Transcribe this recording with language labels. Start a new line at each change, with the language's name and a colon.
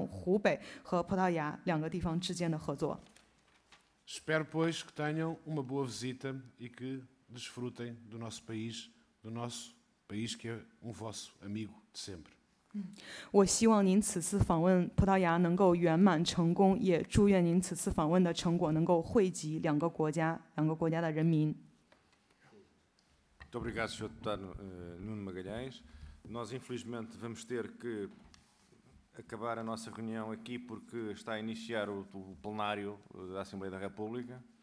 Chinese: 所以说呢，我在这里呢，想要再次感谢您刚刚所提供的那些宝贵的信息，也十分感谢您的邀请。我想要强调，我们非常有意愿、有兴趣接受您的邀请。我们愿意进一步的推动，葡萄牙和中国两个国家之间的关系的发展，尤其是加强湖北和葡萄牙两个地方之间的合作。
Portuguese: Espero, pois, que tenham uma boa visita e que desfrutem do nosso país, que é um vosso amigo de sempre.
Chinese: 我希望您此次访问葡萄牙能够圆满成功，也祝愿您此次访问的成果能够惠及两个国家的人民。
Portuguese: Muito obrigado, Sr. Deputado Nuno Magalhães. Nós, infelizmente, vamos ter que acabar a nossa reunião aqui porque está a iniciar o plenário da Assembleia da República.